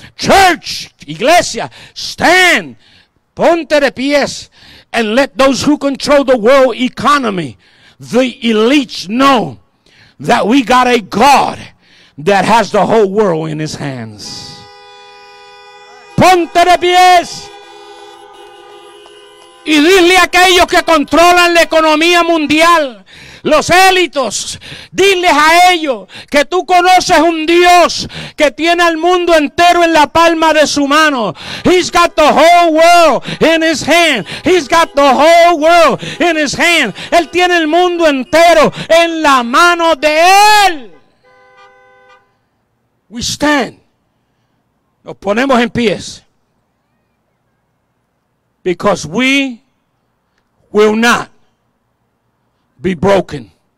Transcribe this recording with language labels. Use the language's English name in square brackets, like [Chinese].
[English] Church, iglesia, stand, [Spanish] ponte de pies, [English] and let those who control the world economy, the elites, know that we got a God that has the whole world in his hands. [Spanish] Ponte de pies y dile a aquellos que controlan la economía mundial, los élites, diles a ellos que tú conoces un Dios que tiene al mundo entero en la palma de su mano. [English] He's got the whole world in his hand. He's got the whole world in his hand. [Spanish] Él tiene el mundo entero en la mano de él. [English] We stand. [Spanish] Nos ponemos en pies. [English] Because we will not be broken.